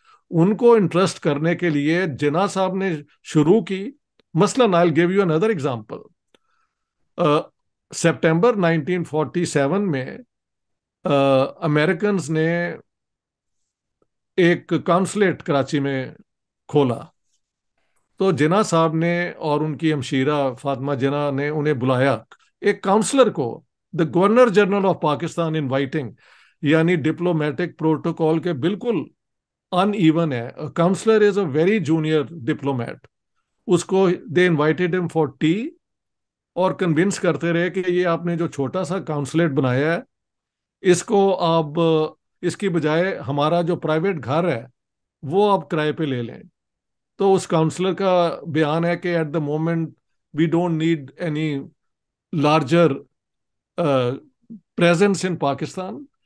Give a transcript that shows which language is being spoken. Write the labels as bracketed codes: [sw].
[ur] ان کو انٹرسٹ کرنے کے لیے جنا صاحب نے شروع کی, مثلاً [en] I will give you another example, [ur] September 1947 میں امیرکنز نے ایک کانسلیٹ کراچی میں کھولا. تو جنا صاحب نے اور ان کی ہمشیرہ فاطمہ جنا نے انہیں بلایا, ایک کاؤنسلر کو, [en] the governor general of Pakistan inviting, [ur] یعنی ڈپلومیٹک پروٹوکول کے بالکل ان ایون ہے. [en] Counsellor is a very junior diplomat. [ur] اس کو [en] they invited him for tea [ur] اور کنوینس کرتے رہے کہ یہ آپ نے جو چھوٹا سا کاؤنسلیٹ بنایا ہے اس کو آپ, اس کی بجائے ہمارا جو پرائیویٹ گھر ہے وہ آپ کرائے پہ لے لیں. تو اس کاؤنسلر کا بیان ہے کہ [en] At the moment we don't need any larger presence in Pakistan.